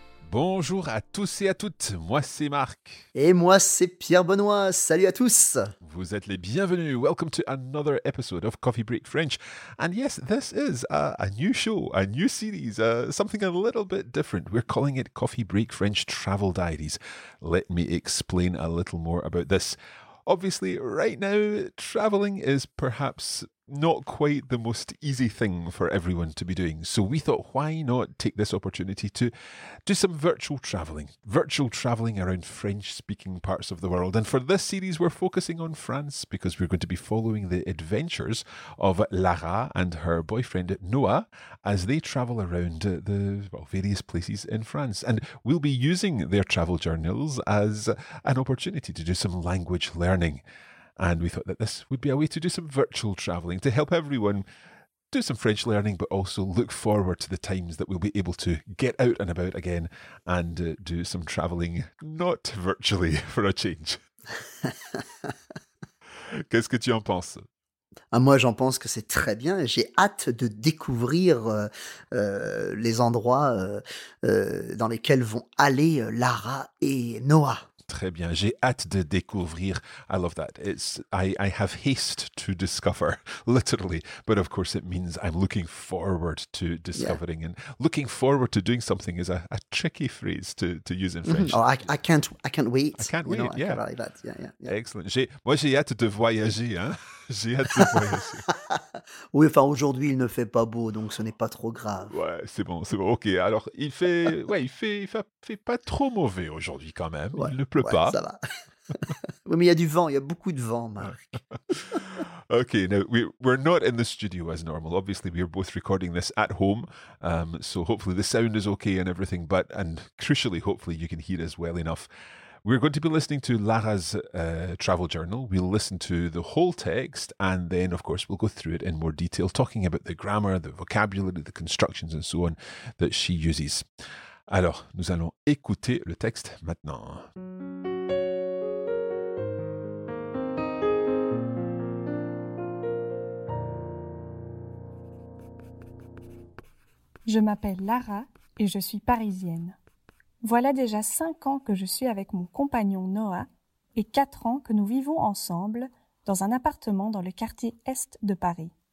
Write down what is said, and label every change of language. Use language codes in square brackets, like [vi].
[fr] Bonjour à tous et à toutes, moi c'est Marc. Et moi c'est Pierre Benoît, salut à tous. Vous êtes les bienvenus, [en] welcome to another episode of Coffee Break French. And yes, this is a new show, a new series, something a little bit different. We're calling it Coffee Break French Travel Diaries. Let me explain a little more about this. Obviously, right now, traveling is perhaps not quite the most easy thing for everyone to be doing. So we thought, why not take this opportunity to do some virtual traveling around French-speaking parts of the world. And for this series, we're focusing on France because we're going to be following the adventures of Lara and her boyfriend Noah as they travel around various places in France. And we'll be using their travel journals as an opportunity to do some language learning. And we thought that this would be a way to do some virtual travelling to help everyone do some French learning, but also look forward to the times that we'll be able to get out and about again and do some travelling not virtually for a change. [fr] Qu'est-ce que tu en penses? Moi, j'en pense que c'est très bien et j'ai hâte de découvrir les endroits dans lesquels vont aller Lara et Noah. Très bien, j'ai hâte de découvrir. [en] I love that. I have haste to discover, literally. But of course, it means I'm looking forward to discovering. Yeah. And looking forward to doing something is a tricky phrase to use in French. Oh, I can't wait. I can't wait. Yeah. Yeah. [fr] Excellent. J'ai hâte de voyager. Hein? J'ai hâte de voyager. Oui, enfin, aujourd'hui, il ne fait pas beau, donc ce n'est pas trop grave. Ouais, c'est bon. Ok. Alors, il fait pas trop mauvais aujourd'hui quand même. Ouais. Il ne pleut pas. Ça va. Oui, mais il y a du vent. Il y a beaucoup de vent, Marc. [en] Okay, now we're not in the studio as normal. Obviously, we are both recording this at home, so hopefully the sound is okay and everything. And crucially, hopefully you can hear us well enough. We're going to be listening to Lara's travel journal. We'll listen to the whole text and then, of course, we'll go through it in more detail, talking about the grammar, the vocabulary, the constructions and so on that she uses. [fr] Alors, nous allons écouter le texte maintenant. Je m'appelle Lara et je suis parisienne. Voilà déjà 5 ans que je suis avec mon compagnon Noah et 4 ans que nous vivons ensemble dans un appartement dans le quartier Est de Paris.